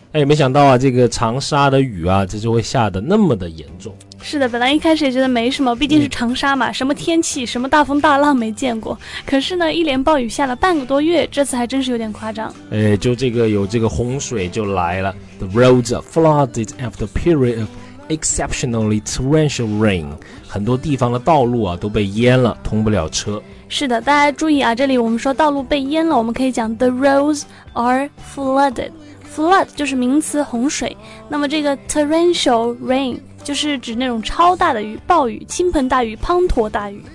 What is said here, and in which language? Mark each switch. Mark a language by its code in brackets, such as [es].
[zh] 哎，没想到啊，这个长沙的雨啊，这就会下得那么的严重。是的，本来一开始也觉得没什么，毕竟是长沙嘛，什么天气，什么大风大浪没见过。可是呢，一连暴雨下了半个多月，这次还真是有点夸张。哎，就这个有这个洪水就来了。 [en] The roads are flooded after a period of exceptionally torrential rain. [zh] 很多地方的道路啊都被淹了，通不了车。是的，大家注意啊，这里我们说道路被淹了，我们可以讲 [en] The roads are flooded. [zh] Flood 就是名词洪水，那么这个 torrential rain 就是指那种超大的雨，暴雨，倾盆大雨，滂沱大雨。